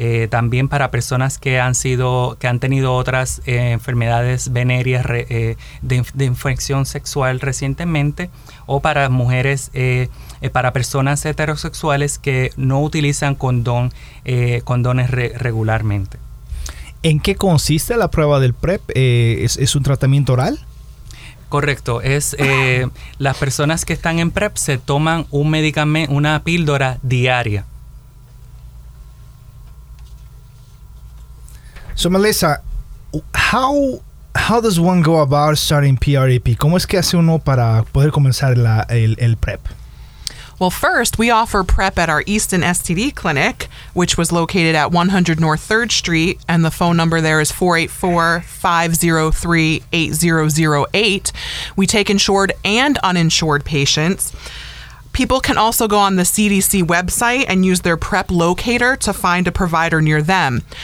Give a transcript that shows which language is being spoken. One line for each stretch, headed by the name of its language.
Spanish: También para personas que han tenido otras enfermedades venéreas de infección sexual recientemente, o para mujeres, para personas heterosexuales que no utilizan condones regularmente. ¿En qué consiste la prueba del PrEP? ¿Es un tratamiento oral? Correcto. Las personas que están en PrEP se toman un medicamento, una píldora diaria.
English: So Melissa, how does one go about starting PrEP?
Spanish: ¿Cómo es que hace uno para poder comenzar el PrEP?
English: Well, first, we offer PrEP at our Easton STD clinic, which was located at 100 North 3rd Street, and the phone number there is 484-503-8008. We take insured and uninsured patients. People can also go on the CDC website and use their PrEP locator to find a provider near them.